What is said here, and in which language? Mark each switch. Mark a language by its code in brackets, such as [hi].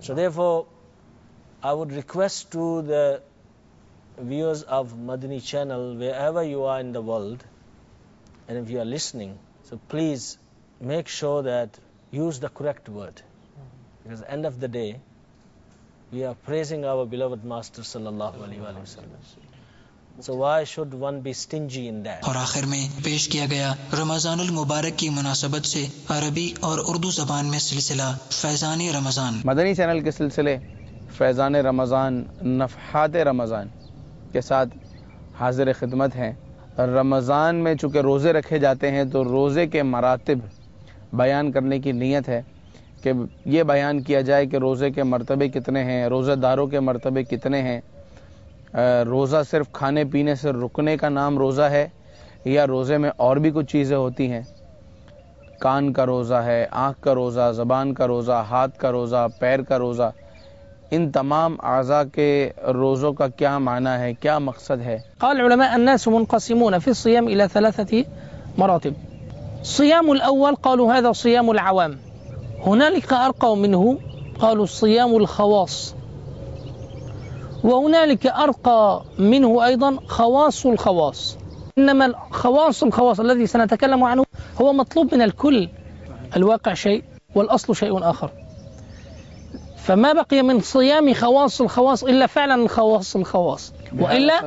[en] So therefore, I would request to the viewers of Madani Channel, wherever you are in the world, and if you are listening, so please make sure that use the correct word. Because at the end of the day, we are praising our beloved Master sallallahu alaihi wa sallam. So why should one be stingy in that? [ur] اور آخر میں پیش کیا گیا رمضان المبارک کی مناسبت سے عربی اور اردو زبان میں سلسلہ فیضان رمضان مدنی چینل کے سلسلے فیضان رمضان نفحات رمضان کے ساتھ حاضر خدمت ہیں رمضان میں چونکہ روزے رکھے جاتے ہیں تو روزے کے مراتب بیان کرنے کی نیت ہے کہ یہ بیان کیا جائے کہ روزے کے مرتبے کتنے ہیں روزہ داروں کے مرتبے کتنے ہیں روزہ صرف کھانے پینے سے رکنے کا نام روزہ ہے یا روزے میں اور بھی کچھ چیزیں ہوتی ہیں کان کا روزہ ہے آنکھ کا روزہ زبان کا روزہ ہاتھ کا روزہ پیر کا روزہ ان تمام اعضاء کے روزوں کا کیا معنی ہے کیا مقصد ہے [ar] قال علماء الناس منقسمون في الصيام الى ثلاثه مراتب صيام الاول قالوا هذا صيام العوام هنالك ارقوا منه قالوا صيام الخواص وهنالك أرقى منه أيضا خواص الخواص إنما الخواص الخواص الذي سنتكلم عنه هو مطلوب من الكل الواقع شيء والأصل شيء آخر فما بقي من صيام خواص الخواص إلا فعلا خواص الخواص وإلا